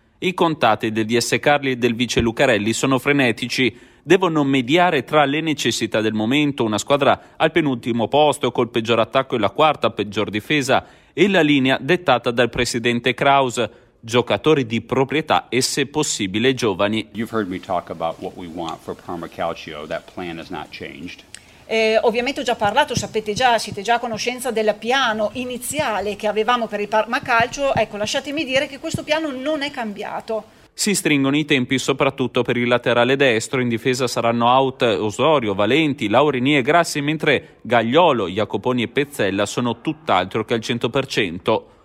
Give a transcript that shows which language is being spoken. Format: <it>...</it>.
<it>I contatti del DS Carli e del vice Lucarelli sono frenetici. Devono mediare tra le necessità del momento, una squadra al penultimo posto col peggior attacco e la quarta peggior difesa, e la linea dettata dal presidente Kraus. Giocatori di proprietà e se possibile giovani.</it> <en>You've heard me talk about what we want for Parma Calcio. That plan has not changed.</en> <it>Ovviamente ho già parlato, sapete già, siete già a conoscenza del piano iniziale che avevamo per il Parma Calcio. Ecco, lasciatemi dire che questo piano non è cambiato. Si stringono i tempi soprattutto per il laterale destro. In difesa saranno out Osorio, Valenti, Laurini e Grassi, mentre Gagliolo, Jacoponi e Pezzella sono tutt'altro che al 100%.</it>